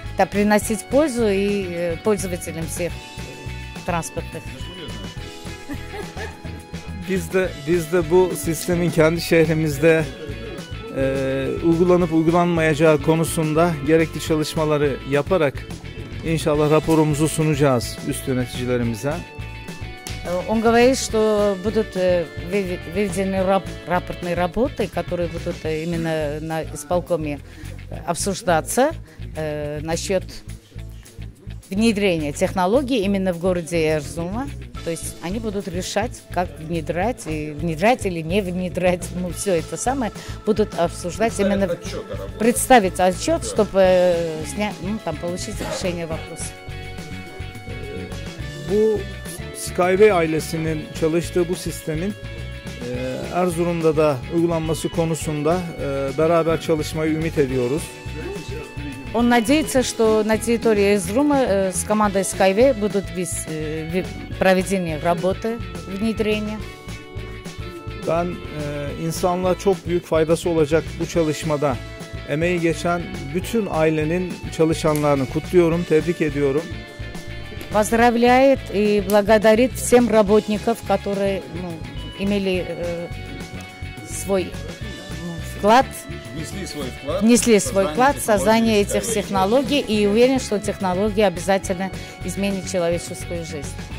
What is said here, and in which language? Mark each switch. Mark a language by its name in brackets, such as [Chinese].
[Russian] Да, приносить пользу и пользователям всех транспортных. [Turkish] Biz de bu sistemin kendi şehrimizde uygulanıp uygulanmayacağı konusunda gerekli çalışmaları yaparak inşallah raporumuzu sunacağız üst yöneticilerimize. [Russian] Он говорит, что будут выведены рапортные работы, которые будут именно на исполкоме обсуждаться насчет внедрения технологий именно в городе Эрзума. То есть они будут решать, как внедрять, и внедрять или не внедрять. Ну, все это самое будут обсуждать, именно представить отчет, чтобы получить решение вопроса. [Turkish] Bu SkyWay ailesinin çalıştığı bu sistemin Erzurum'da da uygulanması konusunda beraber çalışmayı ümit ediyoruz. [Russian] Он надеется, что на территории Эрзурума с командой SkyWay будут проведены работы внедрения. [Turkish] Ben insanlığa çok büyük faydası olacak bu çalışmada emeği geçen bütün ailenin çalışanlarını kutluyorum, tebrik ediyorum. [Russian] Поздравляет и благодарит всем работников, которые имели свой вклад. Внесли свой вклад в создание этих технологий и уверен, что технология обязательно изменит человеческую жизнь.